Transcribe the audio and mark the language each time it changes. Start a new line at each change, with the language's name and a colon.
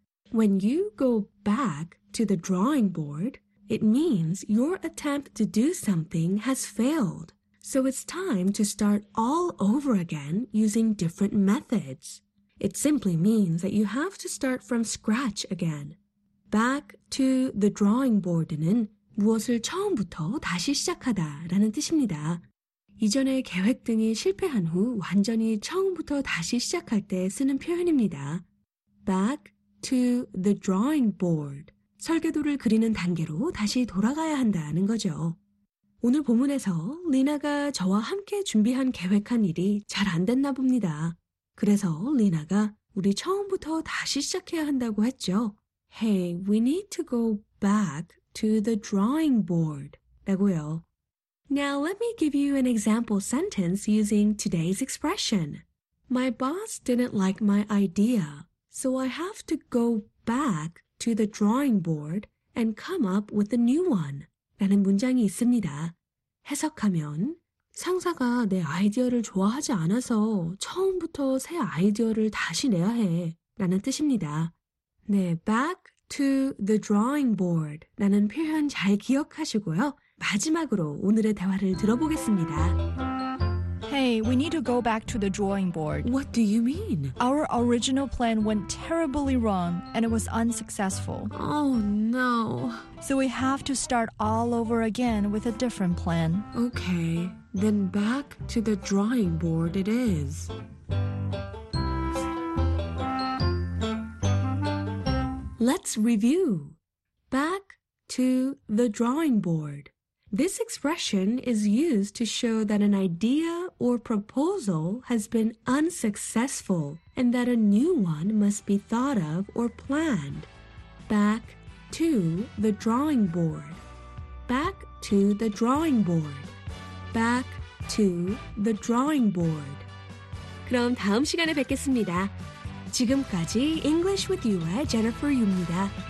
English: When you go back to the drawing board, it means your attempt to do something has failed. So it's time to start all over again using different methods. It simply means that you have to start from scratch again. Back to the drawing board
Korean: 는 무엇을 처음부터 다시 시작하다라는 뜻입니다. 이전의 계획 등이 실패한 후 완전히 처음부터 다시 시작할 때 쓰는 표현입니다.
English: Back to the drawing board.
Korean: 설계도를 그리는 단계로 다시 돌아가야 한다는 거죠. 오늘 본문에서 리나가 저와 함께 준비한 계획한 일이 잘 안 됐나 봅니다. 그래서 리나가 우리 처음부터 다시 시작해야 한다고 했죠.
English: Hey, we need to go back to the drawing board.
Korean: 라고요.
English: Now let me give you an example sentence using today's expression. My boss didn't like my idea, so I have to go back to the drawing board and come up with a new one.
Korean: 라는 문장이 있습니다. 해석하면 상사가 내 아이디어를 좋아하지 않아서 처음부터 새 아이디어를 다시 내야 해 라는 뜻입니다. 네,
English: back to the drawing board
Korean: 라는 표현 잘 기억하시고요. 마지막으로 오늘의 대화를 들어보겠습니다.
English: Hey, we need to go back to the drawing board. What do you mean? Our original plan went terribly wrong, and it was unsuccessful. Oh, no. So we have to start all over again with a different plan. Okay, then back to the drawing board it is. Let's review. Back to the drawing board. This expression is used to show that an idea or proposal has been unsuccessful and that a new one must be thought of or planned. Back to the drawing board. Back to the drawing board. Back to the drawing board.
Korean: 그럼 다음 시간에 뵙겠습니다. 지금까지 English with You의 Jennifer Yu입니다.